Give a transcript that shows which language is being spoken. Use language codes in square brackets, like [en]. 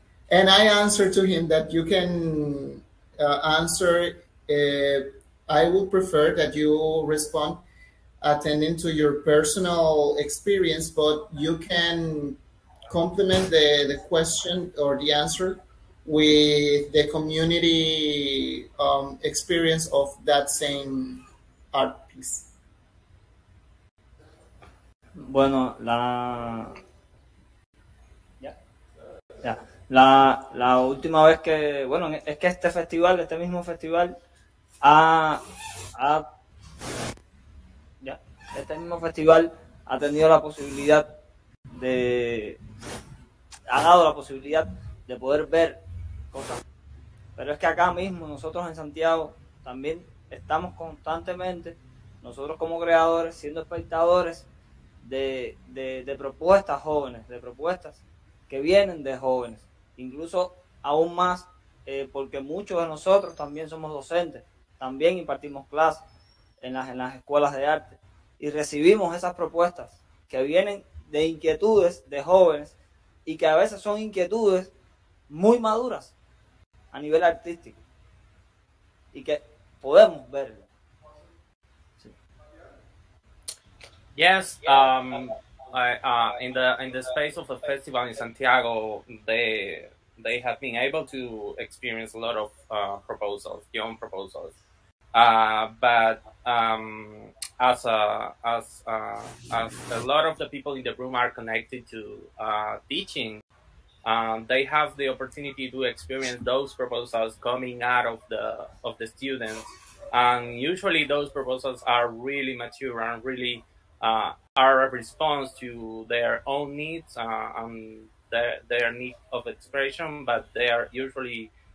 [en] And I answered to him that you can answer I would prefer that you respond attending to your personal experience, but you can complement the question or the answer with the community experience of that same art piece. [es] Bueno, la última vez que, bueno, es que este mismo festival, este mismo festival ha tenido la posibilidad de, ha dado la posibilidad de poder ver cosas. Pero es que acá mismo, nosotros en Santiago, también estamos constantemente, nosotros como creadores, siendo espectadores de propuestas jóvenes, de propuestas que vienen de jóvenes. Incluso aún más, porque muchos de nosotros también somos docentes, también impartimos clases en las escuelas de arte y recibimos esas propuestas que vienen de inquietudes de jóvenes y que a veces son inquietudes muy maduras a nivel artístico y que podemos verlo. Sí. [en] Yes, in the space of the festival in Santiago, they have been able to experience a lot of proposals, young proposals. But as a lot of the people in the room are connected to teaching, they have the opportunity to experience those proposals coming out of the students, and usually those proposals are really mature and really are a response to their own needs and their need of expression, but they are usually